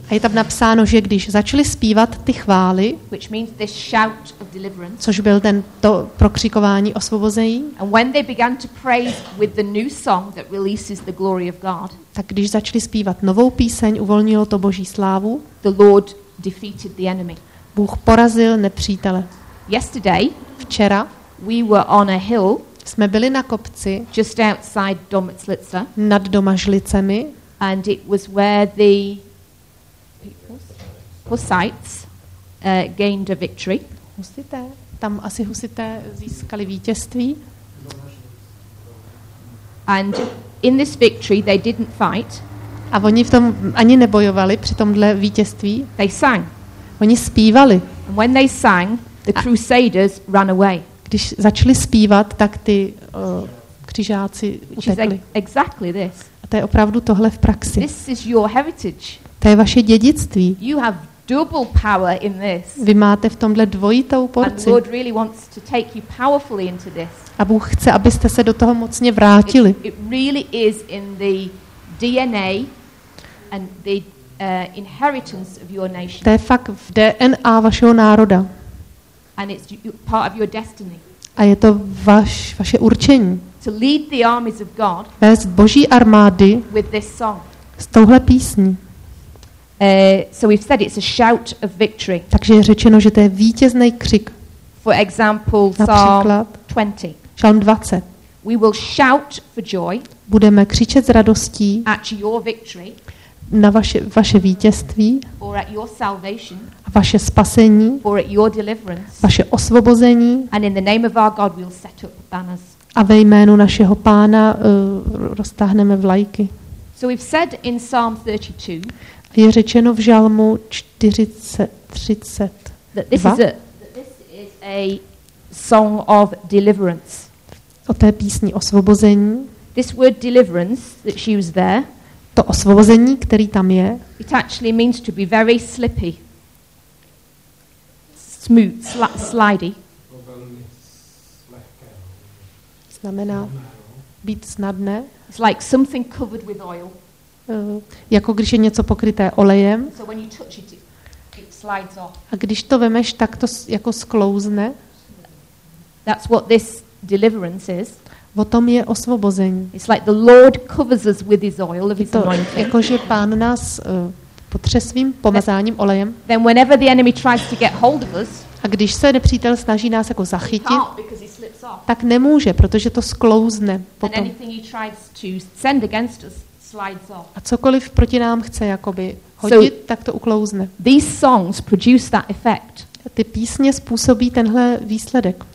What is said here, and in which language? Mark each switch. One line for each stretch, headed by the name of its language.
Czech: A je tam napsáno, že když začali zpívat ty chvály,
English: which means this shout of deliverance,
Czech: což byl ten to prokřikování osvobození.
English: And when they began to praise with the new song that releases the glory of God.
Czech: Tak když začali zpívat novou píseň, uvolnilo to Boží slávu.
English: The Lord defeated the enemy.
Czech: Bůh porazil nepřítele.
English: Yesterday,
Czech: včera,
English: we were on a hill.
Czech: Jsme byli na kopci,
English: just outside Domažlice,
Czech: nad Domažlicemi,
English: and it was where the Husites gained a victory.
Czech: Husité, tam asi Husité získali vítězství.
English: And in this victory they didn't fight.
Czech: A oni v tom ani nebojovali při tomhle vítězství.
English: They sang.
Czech: Oni zpívali.
English: And when they sang, the crusaders ran away.
Czech: když začali zpívat, tak ty křižáci utekli.
English: Exactly this.
Czech: A to je opravdu tohle v praxi.
English: This is your heritage.
Czech: To je vaše dědictví.
English: You have double power in this.
Czech: Vy máte v tomhle dvojitou porci.
English: And Lord really wants to take you powerfully into this.
Czech: A Bůh chce, abyste se do toho mocně vrátili.
English: It really is in the DNA and the inheritance of your nation.
Czech: To je fakt v DNA vašeho národa.
English: And it's part of your destiny.
Czech: A je to vaše určení.
English: To lead the armies of God.
Czech: Vést Boží armády.
English: With this song.
Czech: S touhle písní.
English: So we've said it's a shout of victory.
Czech: Takže je řečeno, že to je vítězný křik.
English: For example, Psalm 20.
Czech: Žalm 20.
English: We will shout for joy.
Czech: Budeme křičet s radostí.
English: At your victory.
Czech: Na vaše vítězství.
English: Or at your salvation.
Czech: Vaše spasení.
English: Or at your deliverance.
Czech: Vaše osvobození.
English: And in the name of our God we'll set up banners.
Czech: A ve jménu našeho Pána roztáhneme vlajky.
English: So we've said in Psalm 32.
Czech: Je řečeno v žalmu 40:32.
English: This is a song of deliverance.
Czech: O té písni osvobození.
English: This word deliverance that she was there.
Czech: To osvobození, který tam je.
English: It actually means to be very slippy. Smooth, slidy.
Czech: Znamená být snadné.
English: It's like something covered with oil.
Czech: Jako když je něco pokryté olejem.
English: So when you touch it, it slides off.
Czech: A když to vemeš, tak to jako sklouzne.
English: That's what this deliverance is.
Czech: O tom je osvobození.
English: It's like the Lord covers us with his oil of his anointing.
Czech: Jako že Pán nás potře svým pomazáním olejem.
English: Then whenever the enemy tries to get hold of us,
Czech: a když se nepřítel snaží nás jako zachytit, tak nemůže, protože to sklouzne potom.
English: Anything he tries to send against us, slides off.
Czech: A cokoliv proti nám chce jakoby hodit,
English: so,
Czech: tak to uklouzne.
English: These songs produce that effect.
Czech: Ty písně způsobí tenhle výsledek.